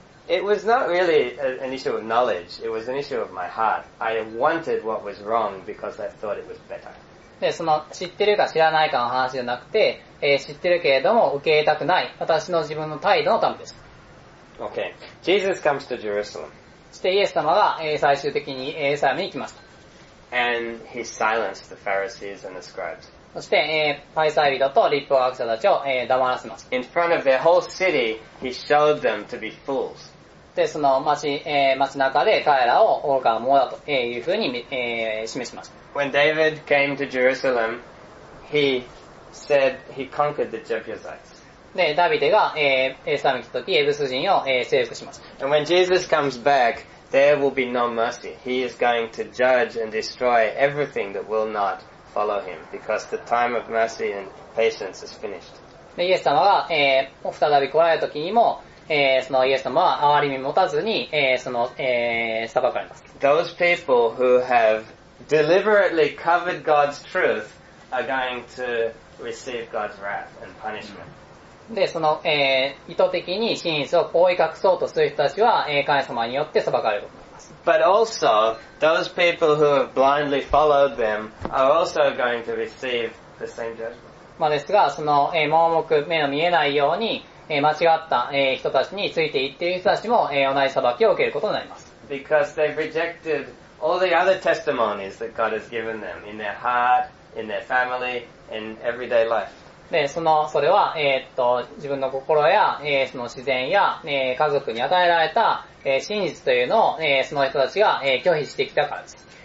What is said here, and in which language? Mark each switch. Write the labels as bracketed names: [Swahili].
[English] It was not really an issue of knowledge. It was an issue of my heart. I wanted what was wrong because I thought it was better. [Japanese] で、その知ってるか知らないかの話じゃなくて、知ってるけれども受け入れたくない私の自分の態度のためです。 [English] Okay. Jesus comes to Jerusalem. [Japanese] そしてイエス様が、最終的にエルサレムに行きました。 [English] And he silenced the Pharisees and the scribes. [Japanese] そして、パリサイ人と立法学者たちを、黙らせます。 [English] In front of their whole city, he showed them to be fools. [Japanese] で、その街中で彼らを愚かなものだというふうに、示しました。 [English] When David came to Jerusalem, he said he conquered the Jebusites. [Japanese] で、ダビデが、エルサレムに来た時、エブス人を、征服しました。 [English] And when Jesus comes back, there will be no mercy. He is going to judge and destroy everything that will not follow him, because the time of mercy and patience is finished. [Japanese] で、イエス様が、再び来られた時にも、そのイエス様は憐れみ持たずに、その、裁かれます。 [English] Those people who have deliberately covered God's truth are going to receive God's wrath and punishment. [Japanese] で、その、意図的に真実を覆い隠そうとする人たちは、神様によって裁かれると思います。 [English] But also, those people who have blindly followed them are also going to receive the same judgment. [Japanese] まあですが、その、盲目、目の見えないように、間違った人たちについていっている人たちも同じ裁きを受けることになります。 [English] Because they've rejected all the other testimonies that God has given them in their heart, in their family, in everyday life. [Japanese] で、それは、自分の心や、その自然や、家族に与えられた、真実というのを、その人たちが、拒否してきたからです。